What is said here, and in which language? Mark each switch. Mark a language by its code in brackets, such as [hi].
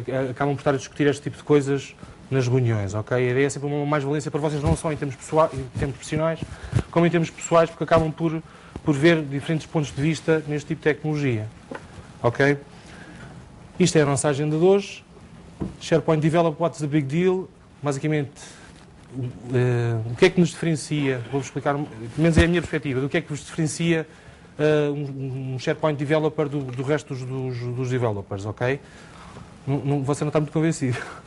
[pt] acabam por estar a discutir este tipo de coisas nas reuniões, ok? A ideia é sempre uma mais-valência para vocês, não só em termos profissionais, como em termos pessoais, porque acabam por ver diferentes pontos de vista neste tipo de tecnologia. Ok? Isto é a nossa agenda de hoje. [en] SharePoint Develop, what's the big deal? [pt] Basicamente, o que é que nos diferencia? Vou-vos explicar, pelo menos é a minha perspectiva, do que é que vos diferencia um SharePoint Developer do resto dos developers, ok? Você não está muito convencido.